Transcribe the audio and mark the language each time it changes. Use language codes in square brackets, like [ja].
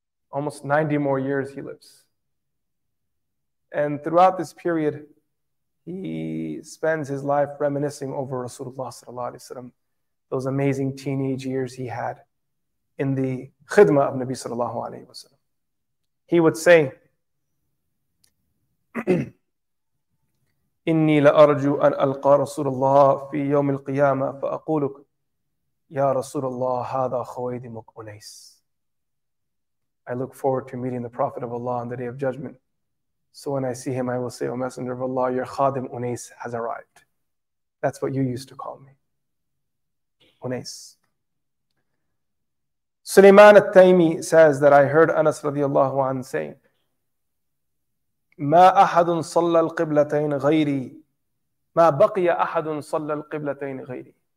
[en] Almost 90 more years he lives. And throughout this period, he spends his life reminiscing over Rasulullah sallallahu alaihi wasallam, those amazing teenage years he had in the khidmah of Nabi sallallahu alaihi wasallam. He would say, [ar] إني لأرجو أن ألقى رسول الله في يوم القيامة فأقولك يا رسول الله هذا خويدمك أنيس. [en] I look forward to meeting the Prophet of Allah on the Day of Judgment. So when I see him, I will say, O Messenger of Allah, your Khadim Unais has arrived. That's what you used to call me. Unais. Sulaiman al-Taymi says that I heard Anas radiallahu anhu saying, [ar] مَا أَحَدٌ صَلَّى الْقِبْلَتَيْنِ غَيْرِي [en] مَا بَقِيَ أَحَدٌ صَلَّى الْقِبْلَتَيْنِ غَيْرِي.